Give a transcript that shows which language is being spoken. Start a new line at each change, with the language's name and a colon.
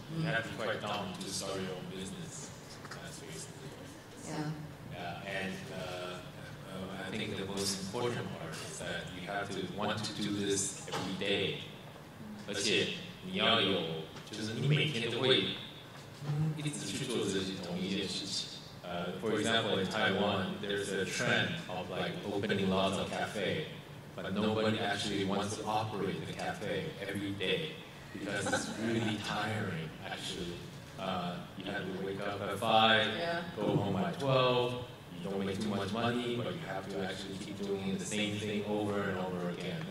English: Have quite dumb to start your own business. That's basically. Yeah. And I think the most important part is that you have to want to do this every day.
Chinese: 而且你要有，就是你每天都会一直去做这些同一件事情。
English: For example, in Taiwan, there's a trend of like opening lots of cafe, but nobody actually wants to operate the cafe every day because it's really tiring, actually. You have to wake up at 5, go home by 12, you don't make too much money, but you have to actually keep doing the same thing over and over again.